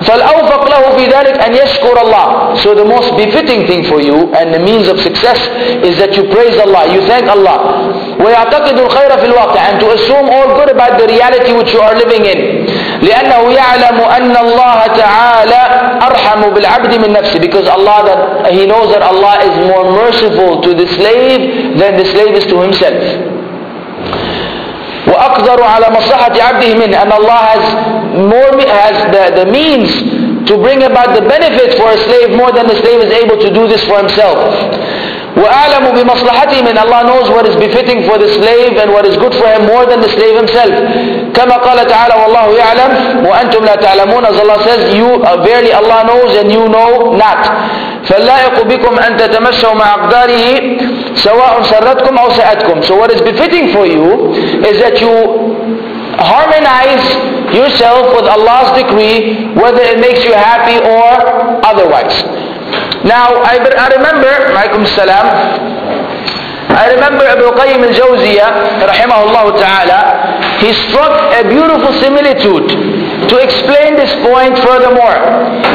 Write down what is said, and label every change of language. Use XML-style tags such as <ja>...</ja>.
<ar>فالأوفق له في ذلك أن يشكر الله.</ar> <en>So the most befitting thing for you and the means of success is that you praise Allah, you thank Allah.</en> <ar>ويعتقد الخير في الواقع,</ar> <en>and to assume all good about the reality which you are living in.</en> <ar>لأنه يعلم أن الله تعالى أرحم بالعبد من نفسه.</ar> <en>Because Allah, he knows that Allah is more merciful to the slave than the slave is to himself.</en> <ar>وأقدر على مصلحة عبده منه,</ar> <en>and Allah has the means to bring about the benefit for a slave more than the slave is able to do this for himself.</en> <ar>وأعلم بمصلحته من,</ar> <en>Allah knows what is befitting for the slave and what is good for him more than the slave himself.</en> <ar>كما قال تعالى والله يعلم وأنتم لا تعلمون.</ar> <en>As Allah says, verily Allah knows and you know not.</en> <ar>فاللائق بكم أن تتمشوا مع أقداره سواء سرتكم أو سأتكم.</ar> <en>So what is befitting for you is that you harmonize yourself with Allah's decree whether it makes you happy or otherwise. Now I remember Ibn Qayyim al-Jawziya rahimahullah ta'ala, he struck a beautiful similitude to explain this point furthermore.</en>